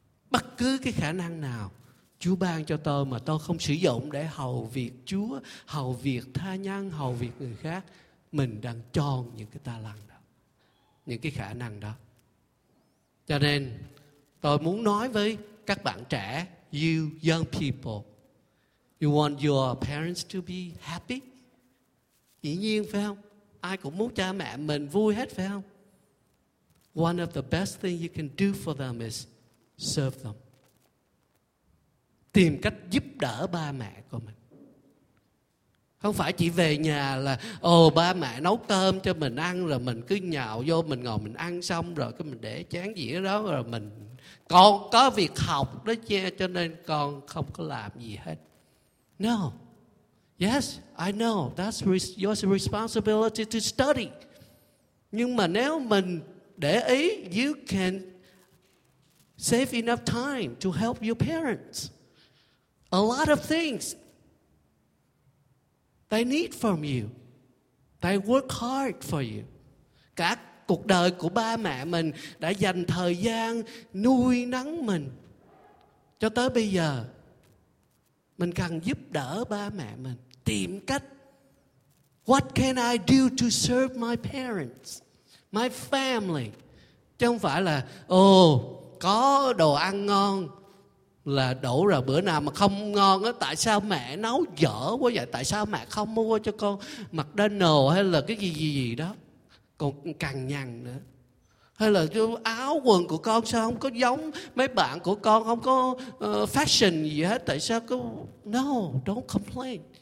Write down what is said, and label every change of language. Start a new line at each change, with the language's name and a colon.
Vietnamese: Bất cứ cái khả năng nào Chúa ban cho tôi mà tôi không sử dụng để hầu việc Chúa, hầu việc tha nhân, hầu việc người khác, mình đang chôn những cái ta lăng đó, những cái khả năng đó. Cho nên tôi muốn nói với các bạn trẻ,
English: you young people, you want your parents to be happy?
Vietnamese: Dĩ nhiên phải không? Ai cũng muốn cha mẹ mình vui hết phải không?
English: One of the best things you can do for them is serve them.
Vietnamese: Tìm cách giúp đỡ ba mẹ của mình. Không phải chỉ về nhà là ồ ba mẹ nấu cơm cho mình ăn rồi mình cứ nhào vô mình ngồi mình ăn xong rồi cái mình để chén dĩa đó rồi mình còn có việc học đó che cho nên con không có làm gì hết.
English: No. Yes, I know that's your responsibility to study.
Vietnamese: Nhưng mà nếu mình để ý,
English: you can save enough time to help your parents. A lot of things they need from you. They work hard for you.
Vietnamese: Cả cuộc đời của ba mẹ mình đã dành thời gian nuôi nấng mình. Cho tới bây giờ, mình cần giúp đỡ ba mẹ mình. Tìm cách.
English: What can I do to serve my parents, my family?
Vietnamese: chứ không phải là ồ có đồ ăn ngon là đổ ra bữa nào mà không ngon á, tại sao mẹ nấu dở quá vậy, tại sao mẹ không mua cho con McDonald's hay là cái gì đó còn cằn nhằn nữa, hay là áo quần của con sao không có giống mấy bạn của con, không có fashion gì hết, tại sao cứ
English: no, don't complain.